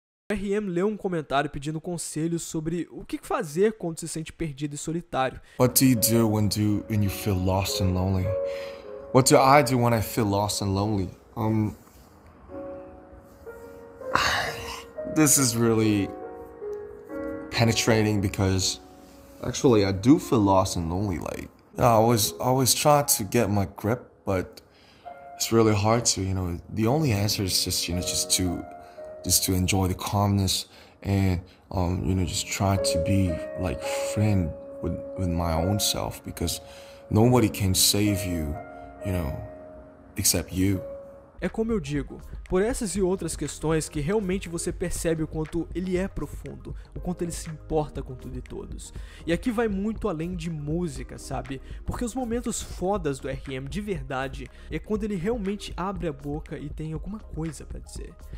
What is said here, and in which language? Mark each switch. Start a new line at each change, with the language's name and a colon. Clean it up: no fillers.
Portuguese: O RM leu um comentário pedindo conselhos sobre o que fazer quando se sente perdido e solitário.
English: What do you do when you feel lost and lonely? What do I do when I feel lost and lonely? This is really penetrating because actually I do feel lost and lonely. Like, you know, I always try to get my grip, but it's really hard to, you know, the only answer is just, you know, just to enjoy the calmness and, you know, just try to be like friend with my own self, because nobody can save you, you know, except you.
Portuguese: É como eu digo, por essas e outras questões que realmente você percebe o quanto ele é profundo, o quanto ele se importa com tudo e todos. E aqui vai muito além de música, sabe? Porque os momentos fodas do RM de verdade é quando ele realmente abre a boca e tem alguma coisa pra dizer.